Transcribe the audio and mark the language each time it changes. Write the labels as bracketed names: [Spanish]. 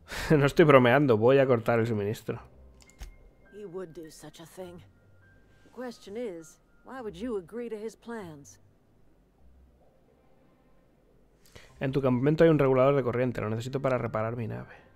[Spanish] No estoy bromeando, voy a cortar el suministro. [English] He would do such a thing. The question is, why would you agree to his plans? [Spanish] En tu campamento hay un regulador de corriente, lo necesito para reparar mi nave.